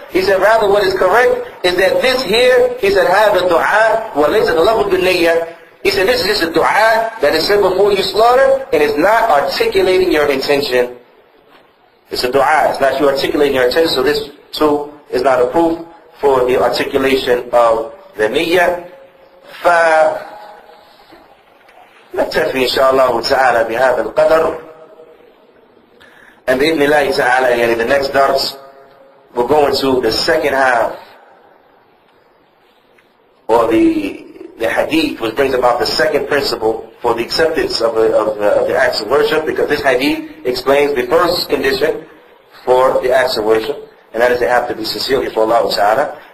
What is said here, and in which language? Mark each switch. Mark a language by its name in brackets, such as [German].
[English] He said, rather what is correct is that this here, he said, [Arabic] هذا الدعاء وليس تلفظ بالنية. [English] He said, this is just a dua that is said before you slaughter, and it's not articulating your intention. It's a dua, it's not you articulating your intention, so this too is not a proof for the articulation of the niyyah. [Arabic] فنكتفي إن شاء الله تعالى بهذا القدر. And بإذن الله تعالى, يعني [English] the next darts We're going to the second half, or the hadith, which brings about the second principle for the acceptance of the acts of worship, because this hadith explains the first condition for the acts of worship, and that is they have to be sincere before Allah Ta'ala.